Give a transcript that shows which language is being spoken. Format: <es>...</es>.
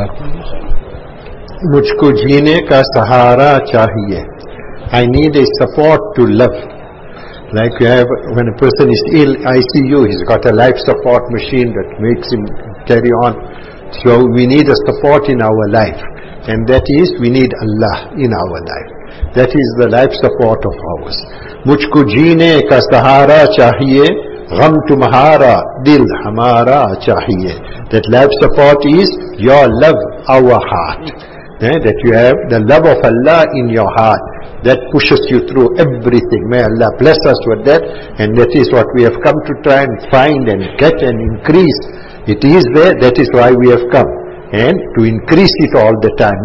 <ur>مجھ کو جینے کا سہارا چاہیے.</ur> <en>I need a support to live. Like you have, when a person is ill, ICU, he's got a life support machine that makes him carry on. So we need a support in our life. And that is, we need Allah in our life. That is the life support of ours.</en> <ur>مجھ کو جینے کا سہارا چاہیے، غم تمہارا دل ہمارا چاہیے.</ur> <en>That life support is your love, our heart. That you have the love of Allah in your heart that pushes you through everything. May Allah bless us with that. And that is what we have come to try and find and get and increase. It is there, that is why we have come. And to increase it all the time.</en>